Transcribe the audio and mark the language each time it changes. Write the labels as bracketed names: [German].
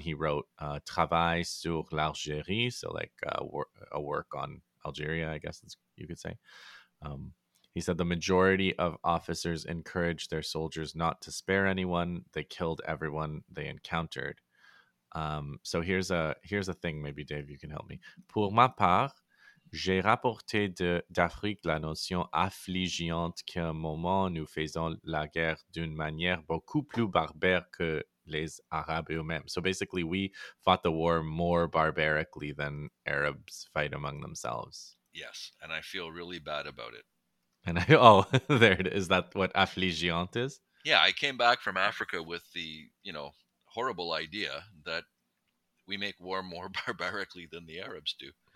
[English] He wrote Travail sur l'Algérie, so like a work on Algeria, I guess you could say. He said the majority of officers encouraged their soldiers not to spare anyone. They killed everyone they encountered. So here's a thing, maybe Dave, you can help me. [French] Pour ma part, j'ai rapporté d'Afrique la notion affligeante qu'à un moment nous faisons la guerre d'une manière beaucoup plus barbare que les Arabes eux-mêmes. [English] So basically, we fought the war more barbarically than Arabs fight among themselves. Yes, and I feel really bad about it. And there it is. That what affligeante is? Yeah, I came back from Africa with the, horrible idea that we make war more barbarically than the Arabs do.